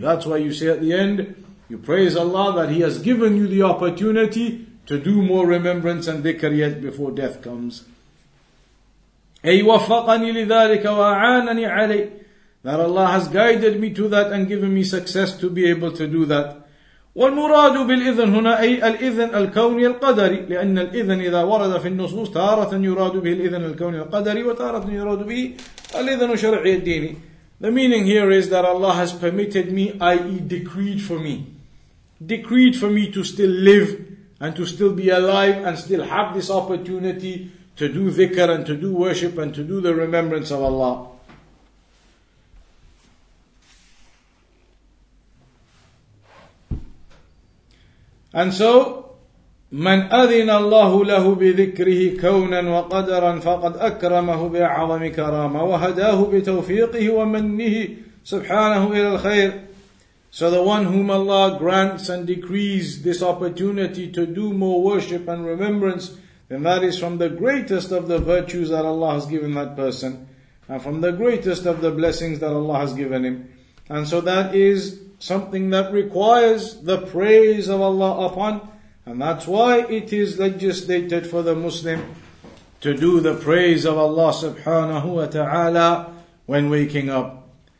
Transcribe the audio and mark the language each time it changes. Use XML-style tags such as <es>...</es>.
<en>That's why you say at the end, you praise Allah that He has given you the opportunity to do more remembrance and dhikr yet before death comes.</en> <ar>أَيْ وَفَّقَنِي لِذَلِكَ وَأَعَانَنِي عَلَيْهِ.</ar> <en>That Allah has guided me to that and given me success to be able to do that.</en> <ar>والمراد بالإذن هنا أي الإذن الكوني القدري, لأن الإذن إذا ورد في النصوص تارة يراد به الإذن الكوني القدري وتارة يراد به الإذن الشرعي الديني.</ar> <en>The meaning here is that Allah has permitted me, i.e. decreed for me, decreed for me to still live and to still be alive and still have this opportunity to do dhikr and to do worship and to do the remembrance of Allah. And so,</en> <ar>من أذن الله له بذكره كونا وقدرا فقد أكرمه بأعظم كرامة وهداه بتوفيقه ومنه سبحانه إلى الخير.</ar> <en>So the one whom Allah grants and decrees this opportunity to do more worship and remembrance, then that is from the greatest of the virtues that Allah has given that person, and from the greatest of the blessings that Allah has given him. And so that is something that requires the praise of Allah upon, and that's why it is legislated for the Muslim to do the praise of Allah subhanahu wa ta'ala when waking up.</en>